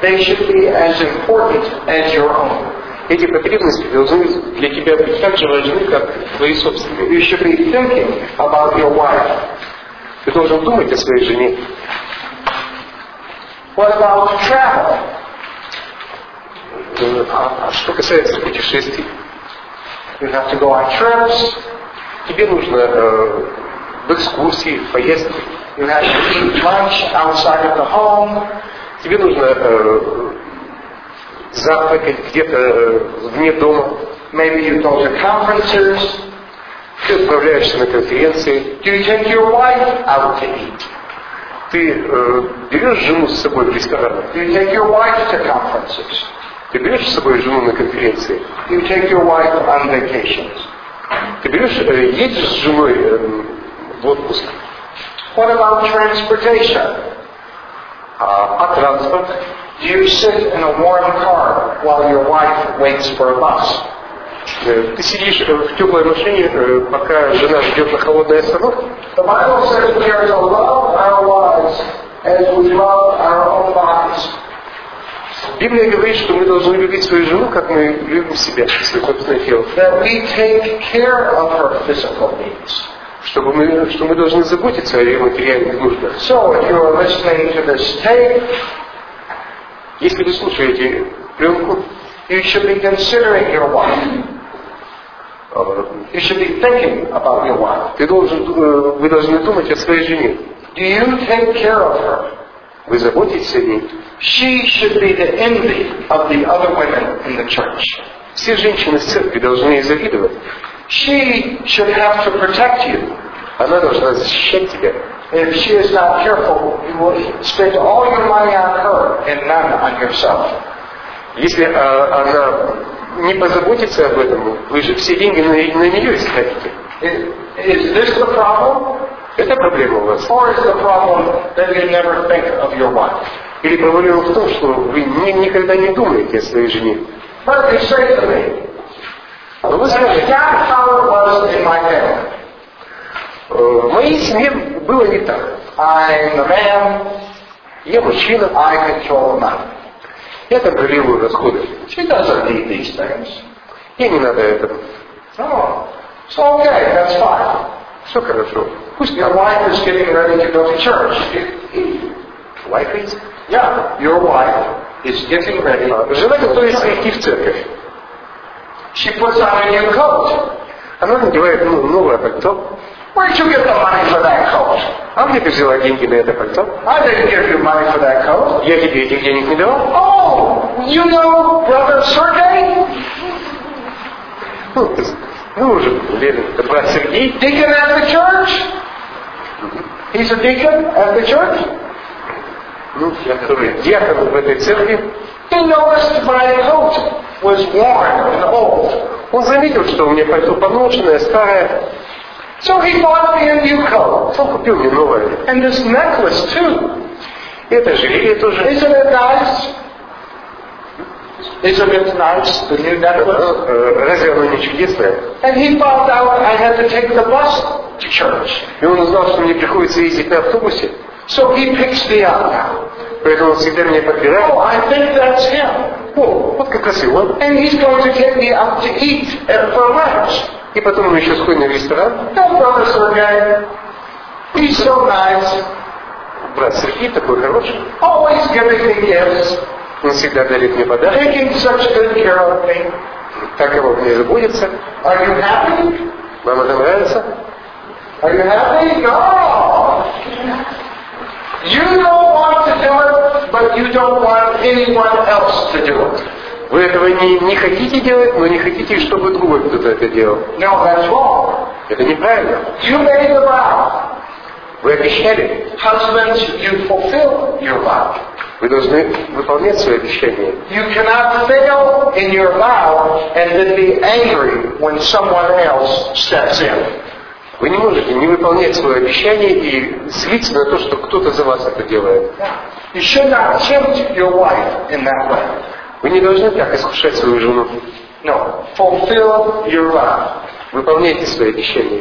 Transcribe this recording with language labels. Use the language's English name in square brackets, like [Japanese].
[English] They should be as important as your own. [Russian] Эти потребности должны для тебя быть так же важны, как твои собственные. [English] You should be thinking about your wife. [Russian] Ты должен думать о своей жене. [English] What about travel? [Russian] А что касается путешествий? [English] You have to go on trips. [Russian] Тебе нужно в экскурсии, в поездке. [English] You have to eat lunch outside of the home. [Russian] Тебе нужно завтракать где-то вне дома. [English] Maybe you go to conferences. [Russian] Ты отправляешься на конференции. [English] Do you take your wife out to eat? [Russian] Ты берешь жену с собой в ресторан? [English] Do you take your wife to conferences? [Russian] Ты берешь с собой жену на конференции? [English] Do you take your wife on vacations? [Russian] Ты берешь, едешь с женой в отпуск? [English] What about transportation? [Russian] А транспорт? [English] Do you sit in a warm car while your wife waits for a bus? [Russian] Ты сидишь в теплой машине, пока жена ждет на холодной остановке? [English] The Bible says we are to love our wives as we love our own bodies. [Russian] Библия говорит, что мы должны любить свою жену, как мы любим себя, свое собственное тело. [English] That we take care of her physical needs. [Russian] Чтобы мы должны заботиться о ее материальных нуждах. [English] So, if you are listening to this tape, [Russian] если вы слушаете пленку, [English] you should be considering your wife. You should be thinking about your wife. [Russian] Вы должны думать о своей жене. [English] Do you take care of her? [Russian] Вы заботитесь о ней? [English] She should be the envy of the other women in the church. [Russian] Все женщины в церкви должны ей завидовать. [English] She should have to protect you. [Russian] Она должна защищать тебя. [English] If she is not careful, you will spend all your money on her and none on yourself. [Russian] Если она не позаботится об этом, вы же все деньги на нее истратите. [English] Is this the problem? [Russian] Это проблема у вас. [English] Or is the problem that you never think of your wife? [Russian] Или проблема в том, что вы никогда не думаете о своей жене. [English] But you say to me, that's how it was in my family. [Russian] В моей семье было не так. [English] I'm a man. [Russian] Я мужчина. [English] I control money. [Russian] Я контролирую расходы. [English] She doesn't need these things. [Russian] Ей не надо этого. [English] Oh. So okay, that's fine. [Russian] Все хорошо. Пусть [English] your wife is getting ready to go to church. Wife is? Yeah, your wife is getting ready. [Russian] Жена готовится идти в церковь. [English] She puts on a new coat. [Russian] Она надевает новое пальто. [English] Where'd you get the money for that coat? [Russian] А где ты взяла деньги на это пальто? [English] I didn't give you money for that coat. [Russian] Я тебе этих денег не давал. [English] Oh, you know brother Sergei? [Russian] Ну, мы уже верим. Это брат Сергей. [English] Deacon at the church? He's a deacon at the church? [Russian] Ну, я тоже диакон в этой церкви. [English] He noticed my coat was worn and old. [Russian] Он заметил, что у меня пальто поношенное, старое. [English] So he bought me a new coat. [Russian] Он купил мне новое. [English] And this necklace too. [Russian] Это жилье тоже. [English] Isn't it nice? Isn't it nice, the new necklace? [Russian] Разве оно не чудесное? [English] And he found out I had to take the bus to church. [Russian] И он узнал, что мне приходится ездить на автобусе. [English] So he picks me up now. [Russian] Поэтому он всегда меня подбирает. [English] Oh, I think that's him. [Russian] Вот как раз и он. [English] And he's going to take me out to eat and for lunch. [Russian] И потом мы еще сходим в ресторан. [English] Don't bother Sergei. He's so nice. [Russian] Брат Сергей такой хороший. [English] Always giving me gifts. [Russian] Он всегда дарит мне подарки. [English] Taking such good care of me. [Russian] Так его мне заботится. [English] Are you happy? [Russian] Вам это нравится? [English] Are you happy? No. You don't want to do it, but you don't want anyone else to do it. [Russian] Вы этого не хотите делать, но не хотите, чтобы другой кто-то это делал. [English] No, that's wrong. [Russian] Это неправильно. [English] You made the vow. [Russian] Вы обещали. [English] Husbands, you fulfill your vow. [Russian] Вы должны выполнять свои обещания. [English] You cannot fail in your vow and then be angry when someone else steps in. [Russian] Вы не можете не выполнять свое обещание и злиться на то, что кто-то за вас это делает. [English] You should not tempt your wife in that way. [Russian] Вы не должны так искушать свою жену. [English] No. Fulfill your vow. [Russian] Выполняйте свое обещание.